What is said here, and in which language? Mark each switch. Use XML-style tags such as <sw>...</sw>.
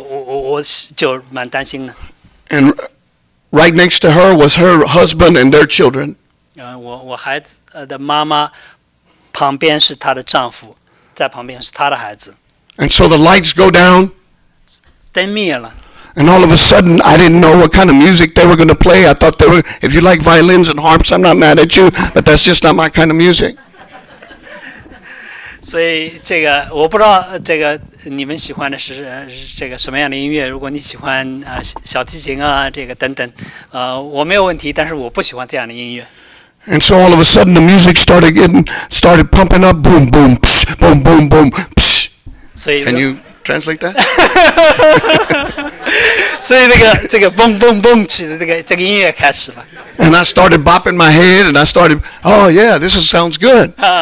<zh>然后我坐在那儿旁边，我太太，然后我那个11岁的女儿和她妈妈，他们在一起说话。其实我就蛮担心的。</zh> <en>And right next to her was her husband and their children.</en> <zh>我孩子的妈妈旁边是她的丈夫，在旁边是她的孩子。</zh> <en>And so the lights go down.</en> <zh>灯灭了。</zh> <en>And all of a sudden, I didn't know what kind of music they were going to play. I thought they were, if you like violins and harps, I'm not mad at you, but that's just not my kind of music.</en> <zh>所以这个我不知道这个你们喜欢的是这个什么样的音乐，如果你喜欢小提琴啊这个等等，我没有问题，但是我不喜欢这样的音乐。</zh> <en>And so all of a sudden the music started pumping up, boom boom, psh, boom boom boom, psh.</en> <zh>所以,</zh> <en>Can you translate that?</en> <zh>所以这个 boom boom boom 这个音乐开始了。</zh> <en>And I started bopping my head, and I started, oh yeah, this sounds good.</en>